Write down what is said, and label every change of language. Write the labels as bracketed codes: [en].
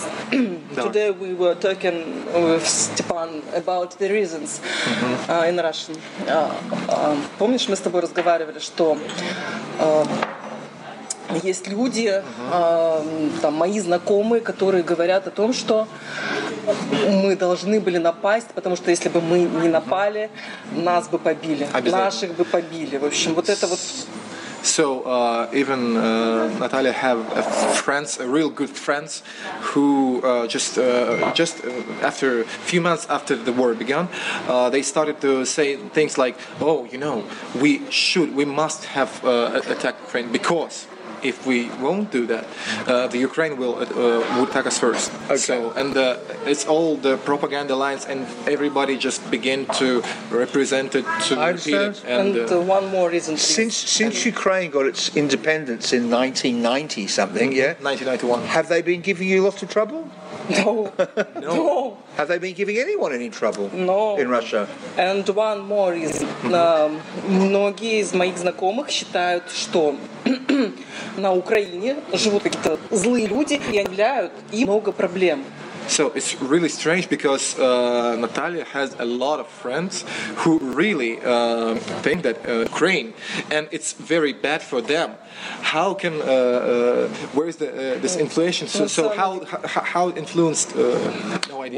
[en] Today we were talking with Степан about the reasons in Russian. [ru] Помнишь, мы с тобой разговаривали, что есть люди, там мои знакомые, которые говорят о том, что мы должны были напасть, потому что если бы мы не напали, нас бы побили, наших бы побили. В общем, вот это вот. [en] So even Natalia have friends, real good friends, who just after a few months after the war began, they started to say things like, "Oh, you know, we must have attacked Ukraine because." If we won't do that, the Ukraine will attack us first. Okay. So, and it's all the propaganda lines, and everybody just begin to represent it, to repeat it. And one more reason. Please. Since Ukraine got its independence in 1990-something, 1991. Have they been giving you lots of trouble? No. No. Have they been giving anyone any trouble? No. In Russia? And one more reason. [ru] Многие из моих знакомых считают, что... На Украине живут какие-то злые люди и являют им много проблем. [en] So it's really strange because Natalia has a lot of friends who really think that Ukraine, and it's very bad for them. How can where is the this inflation? So how influenced? No idea.